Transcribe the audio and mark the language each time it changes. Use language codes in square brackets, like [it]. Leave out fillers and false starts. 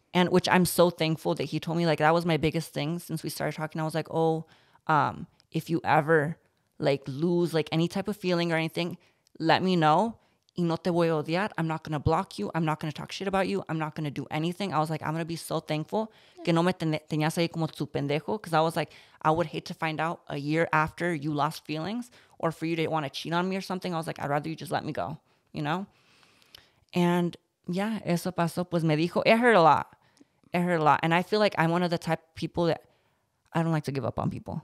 [en] And which I'm so thankful that he told me, like, that was my biggest thing since we started talking. I was like, oh, if you ever like lose like any type of feeling or anything, let me know. [es] Y no te voy a odiar. [en] I'm not going to block you. I'm not going to talk shit about you. I'm not going to do anything. I was like, I'm going to be so thankful. [es] Que no me tenías ahí como tu pendejo. [en] Because I was like, I would hate to find out a year after you lost feelings or for you to want to cheat on me or something. I was like, I'd rather you just let me go, you know? And yeah, [es] eso pasó. Pues me dijo, [en] it hurt a lot. It hurt a lot. And I feel like I'm one of the type of people that I don't like to give up on people.